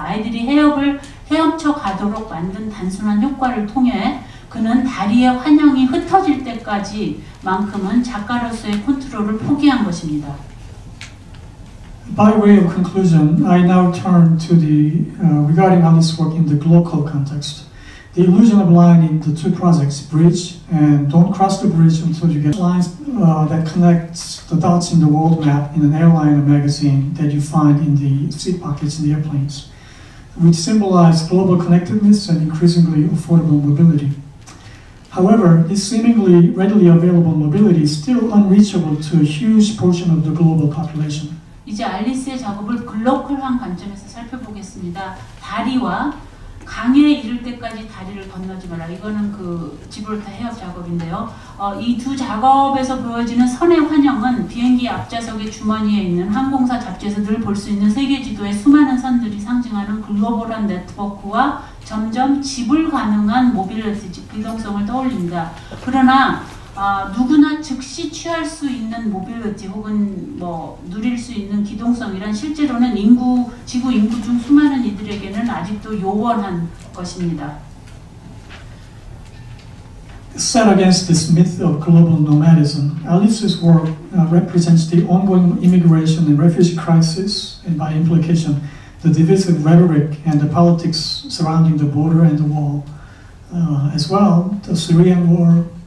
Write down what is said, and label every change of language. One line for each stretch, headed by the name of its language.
Korean: 아이들이 헤엄쳐 가도록 만든 단순한 효과를 통해 그는 다리의 환영이 흩어질 때까지 만큼은 작가로서의 컨트롤을 포기한 것입니다.
English: By way of conclusion, I now turn to the regarding Alice's work in the local context. The illusion of line in the two projects, Bridge and Don't Cross the Bridge Until You Get Lines, that connects the dots in the world map in an airline or magazine that you find in the seat pockets in the airplanes, which symbolize global connectedness and increasingly affordable mobility. However, this seemingly readily available mobility is still unreachable to a huge portion of the global population.
Korean: 이제 알리스의 작업을 글로컬한 관점에서 살펴보겠습니다. 다리와 강에 이를 때까지 다리를 건너지 마라. 이거는 그 지브롤터 해협 작업인데요. 이 두 작업에서 보여지는 선의 환영은 비행기 앞좌석의 주머니에 있는 항공사 잡지에서 늘 볼 수 있는 세계 지도의 수많은 선들이 상징하는 글로벌한 네트워크와 점점 지불 가능한 모빌리티, 즉 이동성을 떠올립니다. 그러나 누구나 즉시 취할 수 있는 모빌리티 혹은 뭐 누릴 수 있는 기동성이란 실제로는 지구 인구 중 수많은 이들에게는 아직도 요원한 것입니다.
English: Set against this myth of global nomadism, Alice's work represents the ongoing immigration and refugee crisis, and by implication, the divisive rhetoric and the politics surrounding the border and the wall, as well the Syrian war.